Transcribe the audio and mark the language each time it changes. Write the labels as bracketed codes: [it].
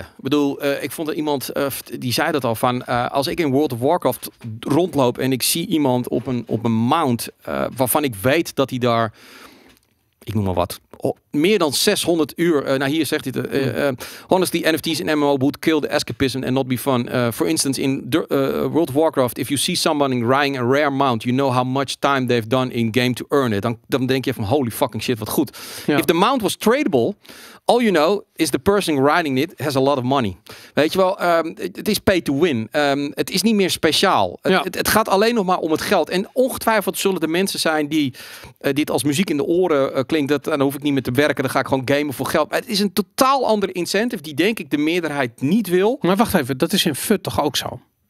[nl] Ik bedoel, ik vond er iemand die zei dat al van, als ik in World of Warcraft rondloop en ik zie iemand op een mount waarvan ik weet dat hij daar, ik noem maar wat, meer dan 600 uur, hier zegt hij het, [en] honestly, NFT's in MMO would kill the escapism and not be fun. For instance, in World of Warcraft, if you see someone riding a rare mount, you know how much time they've done in game to earn it. [nl] Dan denk je van, [en] holy fucking shit, [nl] wat goed. Ja. [en] If the mount was tradable, all you know is the person riding it has a lot of money. [nl] Weet je wel, het is pay to win. Het is niet meer speciaal. Het gaat alleen nog maar om het geld. En ongetwijfeld zullen er mensen zijn die dit als muziek in de oren klinkt. Dan hoef ik niet meer te werken. Dan ga ik gewoon gamen voor geld. Maar het is een totaal andere incentive die denk ik de meerderheid niet wil. Maar wacht even, dat is in FUT toch ook zo?